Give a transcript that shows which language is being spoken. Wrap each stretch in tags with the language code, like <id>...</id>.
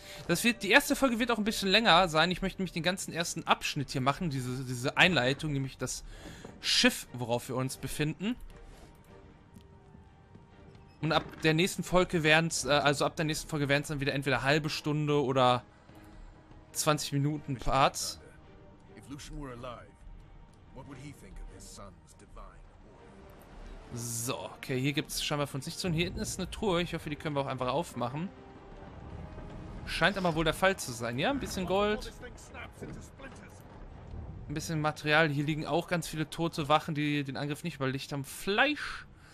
<de>Die erste Folge wird auch ein bisschen länger sein. Ich möchte nämlich den ganzen ersten Abschnitt hier machen. Diese Einleitung, nämlich das Schiff, worauf wir uns befinden. Und ab der nächsten Folge werden es, dann wieder entweder halbe Stunde oder 20 Minuten Parts.</de> <en>If Lucian were alive, what would he think of his son's divine order?</en> <de>So, okay, hier gibt es scheinbar von sich zu. Und hier hinten ist eine Truhe. Ich hoffe, die können wir auch einfach aufmachen. Scheint aber wohl der Fall zu sein. Ja, ein bisschen Gold. Ein bisschen Material. Hier liegen auch ganz viele tote Wachen, die den Angriff nicht überlegt haben. Fleisch.</de>